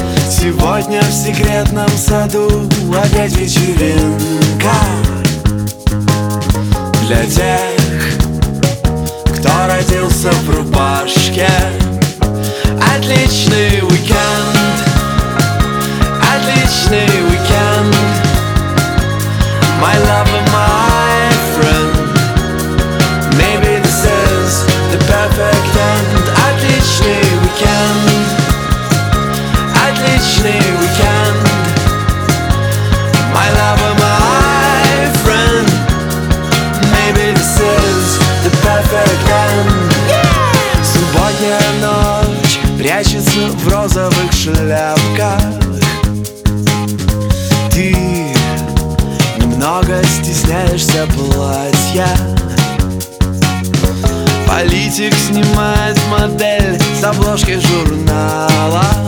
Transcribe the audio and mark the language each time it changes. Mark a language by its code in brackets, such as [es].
[ru] Сегодня в секретном саду опять вечеринка для тех, кто родился в рубашке. Отличный уикенд, отличный уикенд. [en] My love and my friend, maybe this is the perfect end. [ru] Отличный уикенд, отличный уикенд. [en] My love and my friend, maybe this is the perfect end. Yeah! [ru] Субботняя ночь прячется в розовых шляпках. Ты немного стесняешься платья. Политик снимает модель с обложки журнала.